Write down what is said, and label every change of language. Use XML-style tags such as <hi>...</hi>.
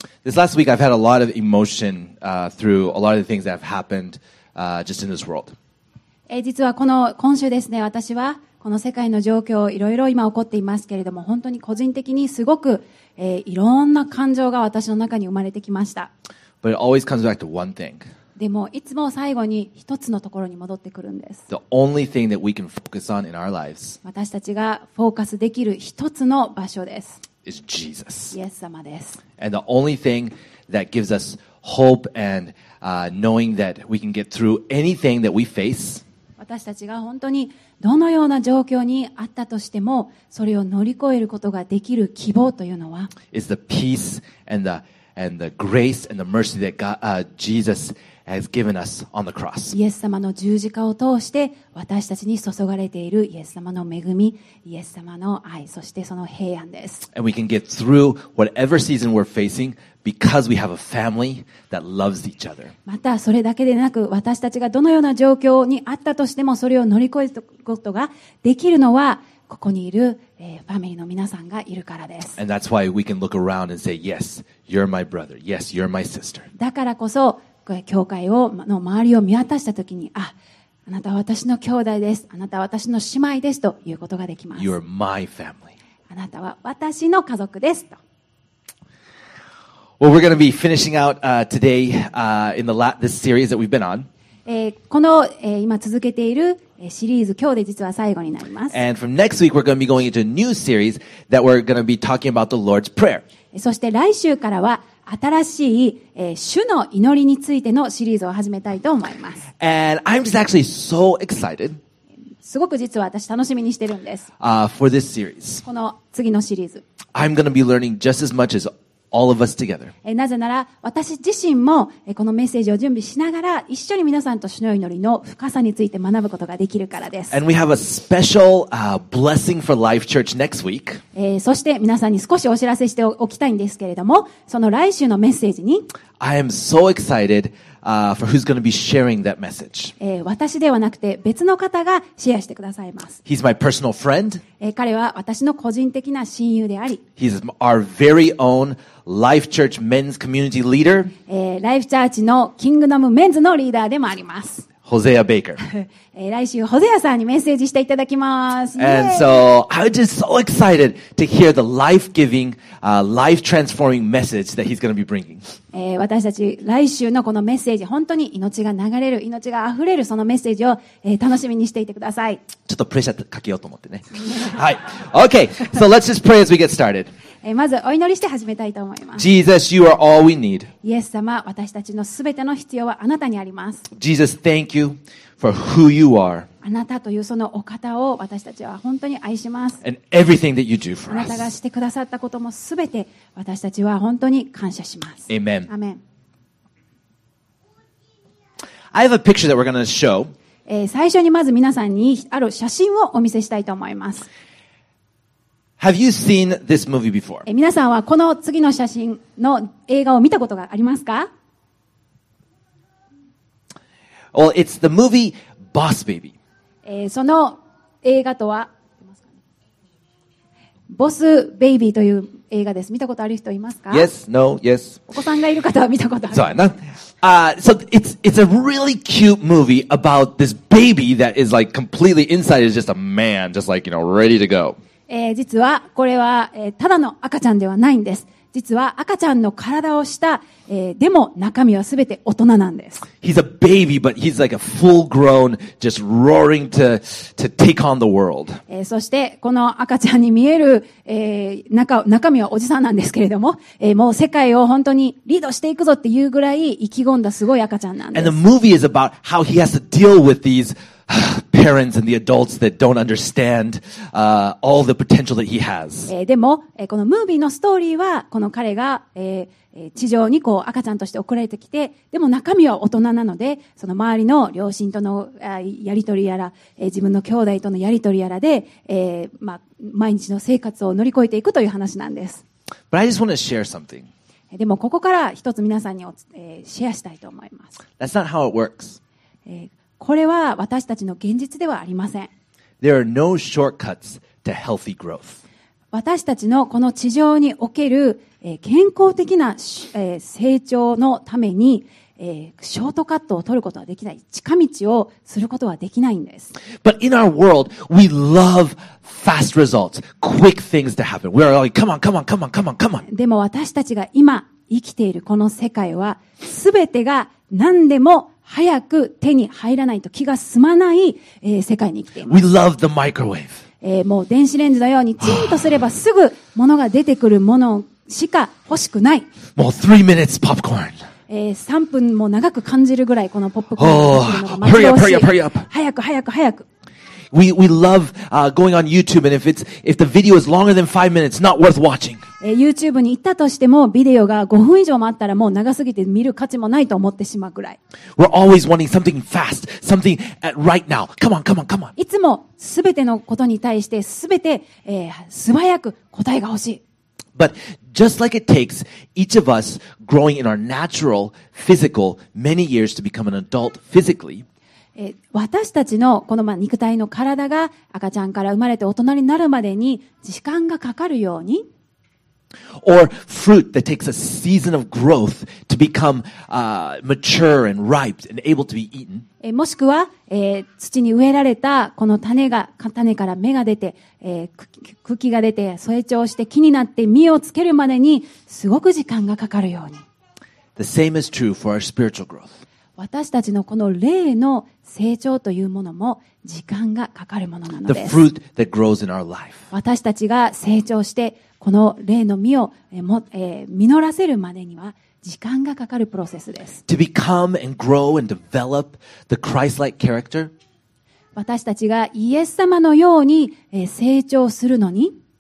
<en>This last week, I've had a lot of emotion through a lot of the things that have happened just in this world.</en> <ja>実はこの今週ですね、私はこの世界の状況、いろいろ今起こっていますけれども、本当に個人的にすごく、いろんな感情が私の中に生まれてきました。</ja> <en>But it always comes back to one thing.</en> <ja>でもいつも最後に一つのところに戻ってくるんです。</ja> <en>The only thing that we can focus on in our lives.</en> <ja>私たちがフォーカスできる一つの場所です。</ja> <en>Is Jesus.</en> <ja>イエス様です。</ja> <en>And the only thing that gives us hope and knowing that we can get through anything that we face.</en> <ja>私たちが本当にどのような状況にあったとしても、それを乗り越えることができる希望というのは、</ja> <en>is the peace and the grace and the mercy that God, Jesus has given us on the cross.</en> <ja>イエス様の十字架を通して私たちに注がれているイエス様の恵み、イエス様の愛、そしてその平安です。</ja> <en>And we can get through whatever season we're facing because we have a family that loves each other.</en> <ja>またそれだけでなく私たちがどのような状況にあったとしてもそれを乗り越えることができるのはここにいる、ファミリーの皆さんがいるからです。</ja> <en>And that's why we can look around and say, yes, you're my brother. Yes, you're my sister.</en> <ja>だからこそ教会をの周りを見渡したときに、あ、あなたは私の兄弟です。あなたは私の姉妹ですということができます。</ja> <en>You are my family.</en> <ja>あなたは私の家族ですと。</ja> <en>Well, we're going to be finishing out today in the this series that we've been on.</en> <ja>この、今続けているシリーズ、今日で実は最後になります。</ja> <en>And from next week, we're going to be going into a new series that we're going to be talking about the Lord's Prayer.</en> <ja>そして来週からは新しい、主の祈りについてのシリーズを始めたいと思います。</ja> <en>And I'm just actually so excited.</en> <ja>すごく実は私楽しみにしてるんです。</ja> <en>For this series.</en> <ja>この次のシリーズ。</ja> <en>I'm going to be learning just as much as all of us together.</en> <ja>なぜなら私自身も、このメッセージを準備しながら一緒に皆さんと主の祈りの深さについて学ぶことができるからです。</ja> <en>And we have a special, blessing for Life Church next week.</en> <ja>そして皆さんに少しお知らせしておきたいんですけれども、その来週のメッセージに、</ja> <en>I am so excited, for who's going to be sharing that message.</en> <ja>私ではなくて別の方がシェアしてくださいます。</ja> <en>He's my personal friend.</en> <ja>彼は私の個人的な親友であり。</ja> <en>He's our very own Life Church Men's Community Leader.</en> <ja>Life Church のキングダムメンズのリーダーでもあります。</ja> <en>Hosea Baker.</en> <ja>来週、ホゼアさんにメッセージしていただきます。</ja> <en>And so, I'm just so excited to hear the life-giving, life-transforming message that he's going to be bringing.</en> <ja>私たち、来週のこのメッセージ、本当に命が流れる、命が溢れる、そのメッセージを、楽しみにしていてください。ちょっとプレッシャーかけようと思ってね。はい。</ja> <en>Okay, so let's just pray as we get started.</en> <ja>まず、お祈りして始めたいと思います。</ja> <en>Jesus, you are all we need.</en> <ja>イエス様、私たちのすべての必要はあなたにあります。</ja> <en>Jesus, thank you. For who you are.</en> <ja>あなたというそのお方を私たちは本当に愛します。</ja> <en>And everything that you do for us.</en> <ja>あなたがしてくださったこともすべて私たちは本当に感謝します。</ja> <en>Amen. Amen. I have a picture that we're going to show.</en> <ja>最初にまず皆さんにある写真をお見せしたいと思います。</ja> <en>Have you seen this movie before?</en> <ja>皆さんはこの次の写真の映画を見たことがありますか？</ja> <en>Well, it's the movie Boss Baby.</en> <ja>その映画とは、ボスベイビーという映画です。見たことある人いますか？</ja> <en>Yes, no, yes.</en> <ja>お子さんがいる方は見たことある。そうやな。</ja> <en>So it's a really cute movie about this baby that is like completely inside is just a man, just like, you know, ready to go.</en> <ja>実はこれは、ただの赤ちゃんではないんです。実は赤ちゃんの体をした、でも中身はすべて大人なんです。</ja> <en>He's a baby, but he's like a full-grown, just roaring to take on the world.</en> <ja>そしてこの赤ちゃんに見える、中身はおじさんなんですけれども、もう世界を本当にリードしていくぞっていうぐらい意気込んだすごい赤ちゃんなんです。</ja> <en>And the movie is about how he has to deal with these parents and the adults that don't understand, all the potential that he has.</en> <ja>でも、このムービーのストーリーは、この彼が、地上にこう赤ちゃんとして送られてきて、でも中身は大人なので、その周りの両親とのやりとりやら、自分の兄弟とのやりとりやらで、まあ、毎日の生活を乗り越えていくという話なんです。</ja> <en>But I just want to share something.</en> <ja>でもここから一つ皆さんにシェアしたいと思います。</ja> <en>That's not how it works.</en> <ja>これは私たちの現実ではありません。</ja> <en>There are no shortcuts to healthy growth.</en> <ja>私たちのこの地上における、健康的な、成長のために、ショートカットを取ることはできない。近道をすることはできないんです。</ja> <en>But in our world, we love fast results, quick things to happen. We are like, come on, come on, come on, come on, come on.</en> <ja>でも私たちが今生きているこの世界は、すべてが何でも早く手に入らないと気が済まない、世界に生きています。</ja> <en>We love the microwave.</en> <ja>もう電子レンジのようにチンとすればすぐものが出てくるものしか欲しくない。もう</ja> <en>3 minutes popcorn.</en> <ja>3分も長く感じるぐらいこのポップコーンを食べるのが待ち遠しい。早く。</ja> <en>We love going on YouTube, and if the video is longer than 5 minutes, not worth watching.</en> <ja>YouTube に行ったとしても、ビデオが5分以上もあったらもう長すぎて見る価値もないと思ってしまうくらい。</ja> <en>We're always wanting something fast, something at right now. Come on, come on, come on.</en> <ja>いつもすべてのことに対してすべて、素早く答えが欲しい。</ja> <en>But just like it takes each of us growing in our natural physical many years to become an adult physically.</en> <ja>私たちのこの肉体の体が赤ちゃんから生まれて大人になるまでに時間がかかるように</ja> <en>Or fruit that takes a season of growth to become, mature and ripe and able to be eaten.</en> <ja>もしくは、土に植えられたこの種が、種から芽が出て、茎が出て、成長して木になって実をつけるまでにすごく時間がかかるように</ja> <en>The same is true for our spiritual growth.</en> <ja>私たちのこの霊の成長というものも時間がかかるものなのです。</ja> <en>The fruit that grows in our life.</en> <ja>私たちが成長してこの霊の実を実らせるまでには時間がかかるプロセスです。</ja> <en>To become and grow and develop the Christ-like character.</en> <ja>私たちがイエス様のように成長するのに</ja>